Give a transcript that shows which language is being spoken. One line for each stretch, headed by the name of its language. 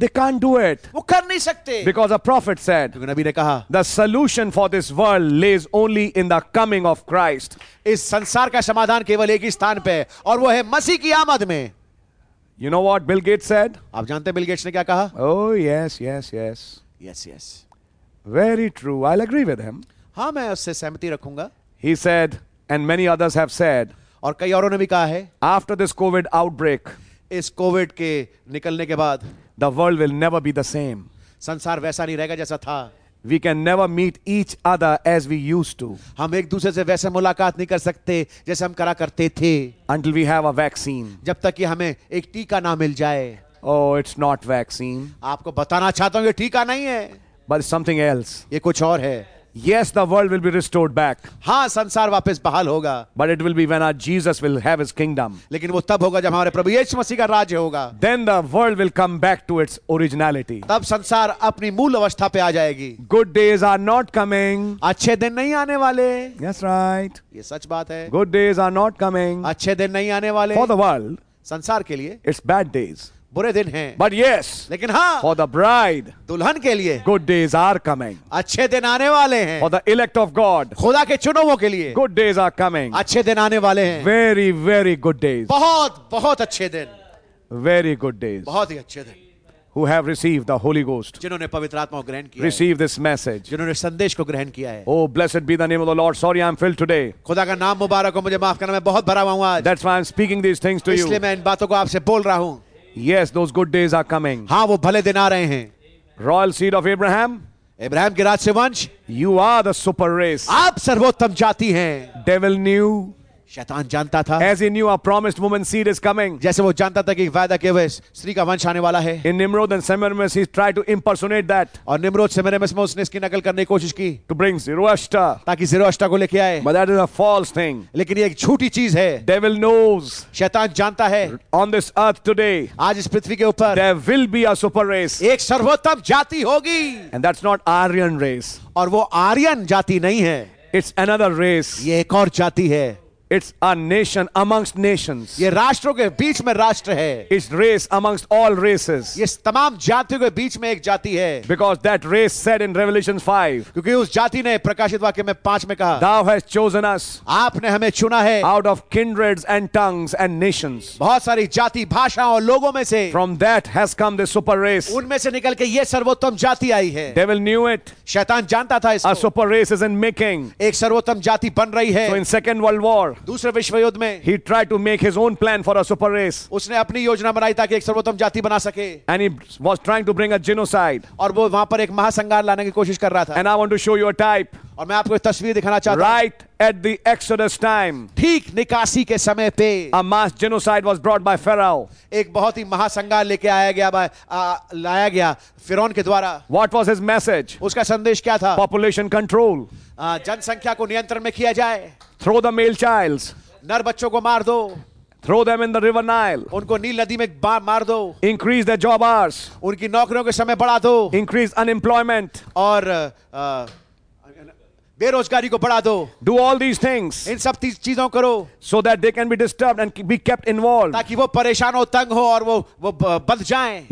English: They can't do it.
Hindi: वो कर नहीं सकते.
English: Because a prophet said.
Hindi: क्योंकि नबी ने कहा.
English: The solution for this world lays only in the coming of Christ.
Hindi: इस संसार का समाधान केवल एक ही स्थान पे है और वो है मसीह की आमद में.
English: You know what Bill Gates said?
Hindi: आप जानते हैं Bill Gates ने क्या कहा?
English: Oh yes, yes, yes. Yes, yes. Very true. I'll agree with him.
Hindi: हाँ, मैं उससे सहमति रखूंगा.
English: He said, and many others have said.
Hindi: और कई औरों ने भी कहा है.
English: After this COVID outbreak.
Hindi: इस COVID के निकलने के बाद.
English: The world will never be the same.
Hindi: संसार वैसा नहीं रहेगा जैसा था.
English: We can never meet each other as we used to.
Hindi: हम एक दूसरे से वैसे मुलाकात नहीं कर सकते जैसे हम करा करते थे.
English: Until we have a vaccine.
Hindi: जब तक कि हमें एक टीका ना मिल जाए.
English: Oh, it's not vaccine.
Hindi: आपको बताना चाहता हूँ ये टीका नहीं है.
English: But something else.
Hindi: ये कुछ और है.
English: Yes, the world will be restored back.
Hindi: हाँ, संसार वापस बहाल होगा.
English: But it will be when our Jesus will have His kingdom.
Hindi: लेकिन वो तब होगा जब हमारे प्रभु यीशु मसीह का राज्य होगा.
English: Then the world will come back to its originality.
Hindi: तब संसार अपनी मूल अवस्था पे आ जाएगी.
English: Good days are not coming.
Hindi: अच्छे दिन नहीं आने वाले.
English: Yes, right.
Hindi: ये सच बात है.
English: Good days are not coming.
Hindi: अच्छे दिन नहीं आने वाले.
English: For the world.
Hindi: संसार के लिए.
English: It's bad days.
Hindi: बुरे दिन हैं.
English: But yes,
Hindi: लेकिन हाँ,
English: for the bride,
Hindi: दुल्हन के लिए,
English: good days are coming.
Hindi: अच्छे दिन आने वाले हैं.
English: For the elect of God,
Hindi: खुदा के चुनावों के लिए,
English: good days are coming.
Hindi: अच्छे दिन आने वाले हैं.
English: Very, very good days.
Hindi: बहुत बहुत अच्छे दिन.
English: Very good days.
Hindi: बहुत ही अच्छे दिन.
English: Who have received the Holy Ghost,
Hindi: जिन्होंने पवित्र आत्मा को ग्रहण किया,
English: receive this message,
Hindi: जिन्होंने संदेश को ग्रहण किया है.
English: Oh, blessed be the name of the Lord. Sorry, I'm filled today.
Hindi: खुदा का नाम मुबारक हो, मुझे माफ करना, मैं बहुत भरा हुआ हूँ आज.
English: That's why I'm speaking these things to you.
Hindi: इसलिए मैं इन बातों को आपसे बोल रहा हूँ.
English: Yes, those good days are coming.
Hindi: हाँ, वो भले दिन आ रहे हैं.
English: Royal seed of Abraham.
Hindi: Abraham के राज से वंश.
English: You are the super race.
Hindi: आप सर्वोत्तम जाति हैं.
English: Devil knew.
Hindi: शैतान जानता था.
English: As he knew a promised woman seed is coming.
Hindi: जैसे वो जानता था कि वादा के वेश स्त्री का वंश आने वाला है.
English: In Nimrod and Semiramis he tried to impersonate that.
Hindi: और निम्रोद सेमिरमिस में उसने इसकी नकल करने की कोशिश की.
English: To bring Zoroaster.
Hindi: ताकि Zoroaster को लेके आए.
English: But that is a false thing.
Hindi: लेकिन ये एक झूठी चीज है.
English: Devil knows.
Hindi: शैतान जानता है.
English: On this earth today.
Hindi: आज इस पृथ्वी के ऊपर.
English: There will be a super race.
Hindi: एक सर्वोत्तम जाति होगी.
English: And that's not Aryan race.
Hindi: और वो आर्यन जाति नहीं है.
English: It's another race.
Hindi: ये एक और जाति है.
English: It's a nation amongst nations.
Hindi: ये राष्ट्रों के बीच में राष्ट्र है.
English: It's race amongst all races.
Hindi: ये तमाम जातियों के बीच में एक जाति है.
English: Because that race said in Revelation 5.
Hindi: क्योंकि उस जाति ने प्रकाशित वाक्य में 5 में कहा.
English: Thou hast chosen us.
Hindi: आपने हमें चुना है.
English: Out of kindreds and tongues and nations.
Hindi: बहुत सारी जाति भाषाओं और लोगों में से.
English: From that has come the super race.
Hindi: उनमें से निकल के ये सर्वोत्तम जाति आई है.
English: Devil knew it.
Hindi: शैतान जानता था इसको.
English: A super race is in making.
Hindi: एक सर्वोत्तम जाति बन रही है.
English: So in Second World War.
Hindi: दूसरे विश्व युद्ध में
English: he tried to make his own plan for a super race.
Hindi: उसने अपनी योजना बनाई ताकि एक सर्वोत्तम जाति बना सके.
English: And he was trying to bring a genocide.
Hindi: और वो वहां पर एक महासंहार लाने की कोशिश कर रहा था.
English: And I want to show you a type.
Hindi: और मैं आपको एक तस्वीर दिखाना चाहता हूं.
English: Right at the Exodus time.
Hindi: ठीक निकासी के समय पे.
English: A mass genocide was brought by Pharaoh.
Hindi: एक बहुत ही महासंहार लेके आया गया लाया गया फिरौन के द्वारा.
English: What was his message?
Hindi: उसका संदेश क्या था?
English: Population control.
Hindi: जनसंख्या को नियंत्रण में किया जाए.
English: Throw the male childs.
Hindi: नर बच्चों को मार दो.
English: Throw them in the river Nile.
Hindi: उनको नील नदी में मार दो.
English: Increase their job hours.
Hindi: उनकी नौकरियों के समय बढ़ा दो.
English: Increase unemployment.
Hindi: और बेरोजगारी को बढ़ा दो.
English: Do all these things.
Hindi: इन सब चीजों करो.
English: So that they can be disturbed and be kept involved.
Hindi: ताकि वो परेशान हो, तंग हो और वो बंध जाएं.